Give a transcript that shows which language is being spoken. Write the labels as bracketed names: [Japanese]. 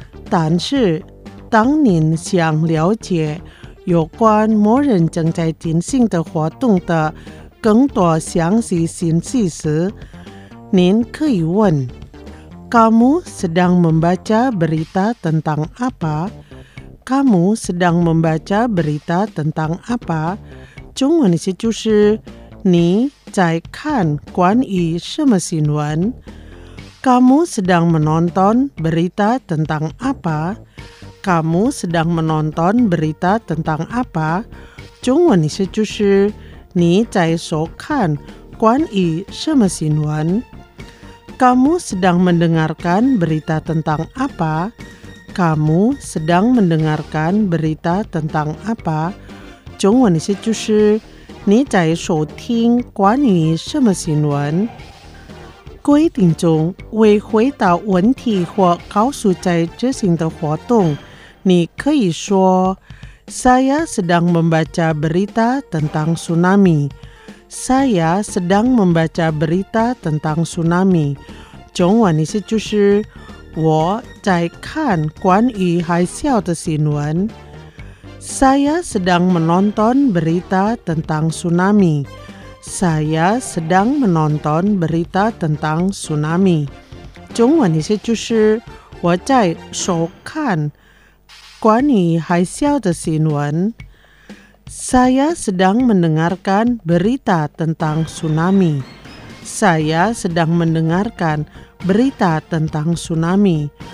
[Chinese] 但是， 当您想了解 有关某人正在进行的活动的 更多详细信息时， 您可以问， [Indonesian] Kamu sedang membaca berita tentang apa? Kamu sedang membaca berita tentang apa? [Chinese] 中文意思就是 你在看关于什么新闻？ [Indonesian] Kamu sedang menonton berita tentang apa? Kamu sedang menonton berita tentang apa? [Chinese] 中文意思就是 你在收看关于什么新闻？ [Indonesian] Kamu sedang mendengarkan berita tentang apa? Kamu sedang mendengarkan berita tentang apa? [Chinese] 中文意思就是 你在收听关于什么新闻？规定中，为回答问题或告诉在执行的活动， Ni kei shuo, [Indonesian] saya sedang membaca berita tentang tsunami. Saya sedang membaca berita tentang tsunami. [Chinese] 中文意思就是 我在看关于海啸的新闻。 [Indonesian] Saya sedang menonton berita tentang tsunami. Saya sedang menonton berita tentang tsunami. [Chinese] 中文意思就是 我在收看关于海啸的新闻。 [Indonesian] Saya sedang mendengarkan berita tentang tsunami. Saya sedang mendengarkan berita tentang tsunami.